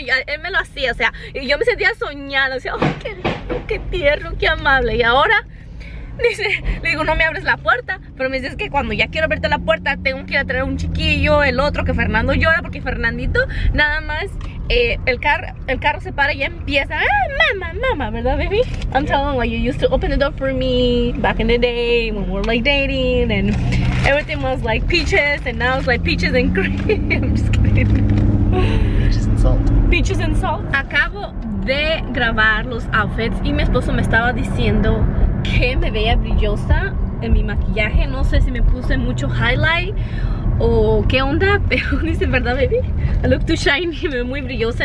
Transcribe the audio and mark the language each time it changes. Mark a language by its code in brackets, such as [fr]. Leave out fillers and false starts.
[es] Y él me lo hacía, o sea, y yo me sentía soñada. O sea, oh, qué lindo, qué tierno, qué amable. Y ahora le digo, no me abres la puerta. Pero me dices que cuando ya quiero abrirte la puerta, tengo que ir a traer un chiquillo, el otro, que Fernando llora, porque Fernandito, nada más el carro se para y ya empieza, ah, mama, mama, ¿verdad, baby? [en] I'm telling you, you used to open the door for me back in the day when we were like dating and everything was like peaches and now it's like peaches and cream. I'm just kidding. Peaches and salt. Peaches and salt. [es] Acabo de grabar los outfits y mi esposo me estaba diciendo que me veía brillosa en mi maquillaje. No sé si me puse mucho highlight o qué onda, pero dice, ¿verdad, baby? [en] I look too shiny, [es] me veo muy brillosa.